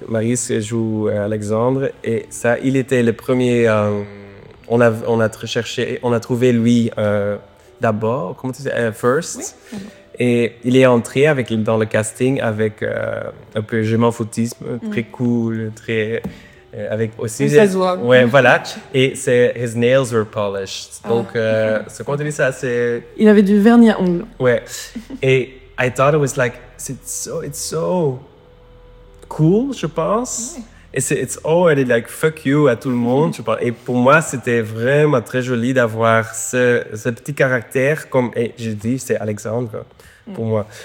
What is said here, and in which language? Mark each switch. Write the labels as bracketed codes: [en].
[fr] Marius joue Alexandre et ça, il était le premier... On a trouvé lui d'abord, comment tu dis, first, oui. Et il est entré dans le casting avec un peu je m'en foutisme, très cool, très avec aussi ça se voit. Ouais, voilà. Et c'est [en] his nails were polished. [fr] Donc comment tu dis ça, c'est il avait du vernis à ongles. Ouais. [en] Et I thought it was like it's so cool, [fr] je pense. Oui. Et c'est [en] it's already like fuck you [fr] à tout le monde, tu vois. Et pour moi, c'était vraiment très joli d'avoir ce petit caractère comme, et je dis, c'est Alexandre pour moi.